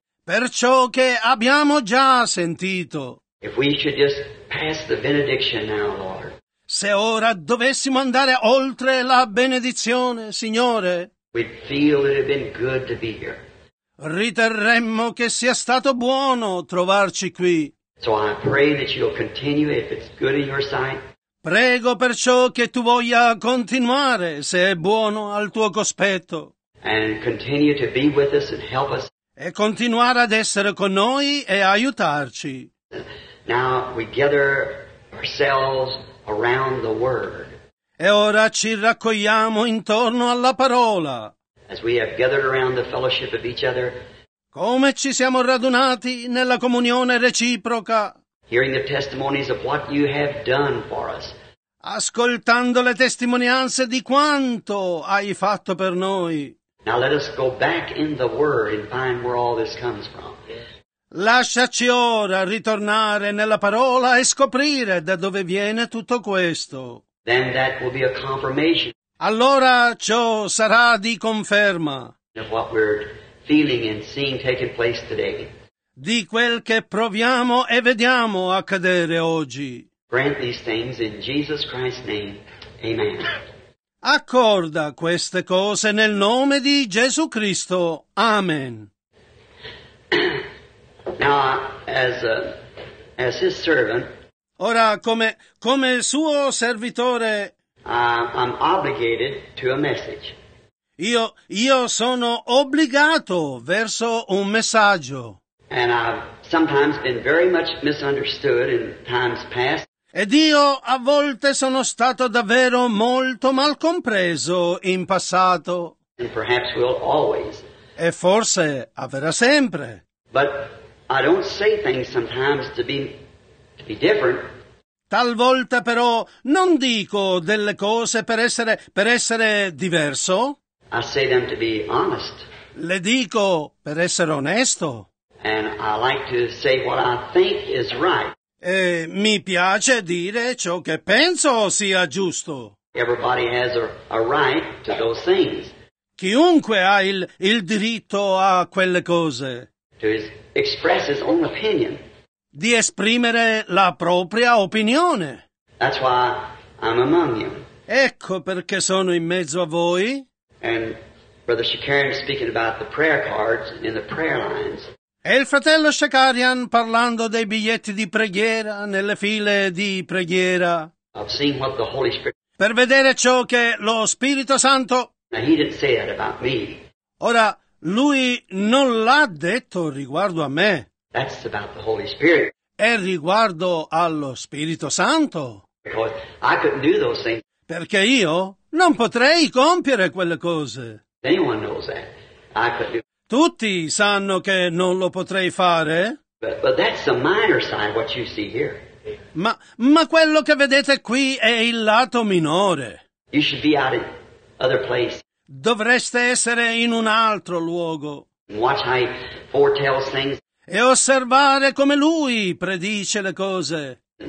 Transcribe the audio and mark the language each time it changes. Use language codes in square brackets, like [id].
[it] Per ciò che abbiamo già sentito. [en] If we should just pass the benediction now, Lord. [it] Se ora dovessimo andare oltre la benedizione, Signore. [en] We'd feel it had been good to be here. [it] Riterremmo che sia stato buono trovarci qui. [en] So I pray that you'll continue if it's good in your sight. [it] Prego perciò che tu voglia continuare se è buono al tuo cospetto. [en] And continue to be with us and help us. [it] E continuare ad essere con noi e aiutarci. [en] Now we gather ourselves around the word. [it] E ora ci raccogliamo intorno alla parola. [en] As we have gathered around the fellowship of each other. [it] Come ci siamo radunati nella comunione reciproca. [en] Hearing the testimonies of what you have done for us. [it] Ascoltando le testimonianze di quanto hai fatto per noi. [en] Now let us go back in the Word and find where all this comes from. [it] Lasciaci ora ritornare nella parola e scoprire da dove viene tutto questo. [en] Then that will be a confirmation. [it] Allora ciò sarà di conferma. [en] Of what we're feeling and seeing taking place today. [it] Di quel che proviamo e vediamo accadere oggi. [en] Grant these things in Jesus Christ's name. Amen. [it] Accorda queste cose nel nome di Gesù Cristo. Amen. [en] Now, as his servant, [it] ora, come suo servitore, [en] I'm obligated to a message. [it] Io sono obbligato verso un messaggio. [en] And I've sometimes been very much misunderstood in times past. [it] Ed io a volte sono stato davvero molto mal compreso in passato. [en] And perhaps will always. [it] E forse avverrà sempre. [en] But I don't say things sometimes to be different. [it] Talvolta però non dico delle cose per essere diverso. [en] I say them to be honest. [it] Le dico per essere onesto. [en] And I like to say what I think is right. [it] E mi piace dire ciò che penso sia giusto. [en] Everybody has a right to those things. [it] Chiunque ha il diritto a quelle cose. [en] To express his own opinion. [it] Di esprimere la propria opinione. [en] That's why I'm among you. [it] Ecco perché sono in mezzo a voi. [en] And Brother Shakarian is speaking about the prayer cards in the prayer lines. [it] E il fratello Shakarian parlando dei biglietti di preghiera nelle file di preghiera. [en] I've seen what the Holy Spirit. [it] Per vedere ciò che lo Spirito Santo. [en] Now, he didn't say that about me. [it] Ora, lui non l'ha detto riguardo a me. [en] That's about the Holy Spirit. [it] È riguardo allo Spirito Santo. [en] Because I couldn't do those things. [it] Perché io non potrei compiere quelle cose. [en] Anyone knows that. I could do. [it] Tutti sanno che non lo potrei fare. [en] But that's the minor side, what you see here. [it] Ma quello che vedete qui è il lato minore. [en] You should be out in other place. [it] Dovreste essere in un altro luogo. [en] Watch how he foretells things. [it] E osservare come lui predice le cose.